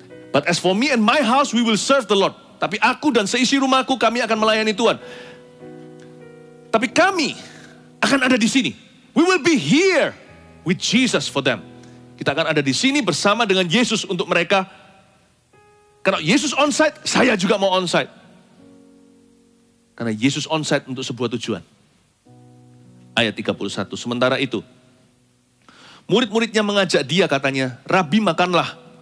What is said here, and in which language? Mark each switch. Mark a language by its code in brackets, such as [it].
[en] But as for me and my house, we will serve the Lord. [id] Tapi aku dan seisi rumahku, kami akan melayani Tuhan. Tapi kami akan ada di sini. [en] We will be here with Jesus for them. [id] Kita akan ada di sini bersama dengan Yesus untuk mereka. Karena Yesus on site, saya juga mau on site. Karena Yesus on site untuk sebuah tujuan. Ayat 31. Sementara itu, murid-muridnya mengajak dia, katanya, Rabi makanlah.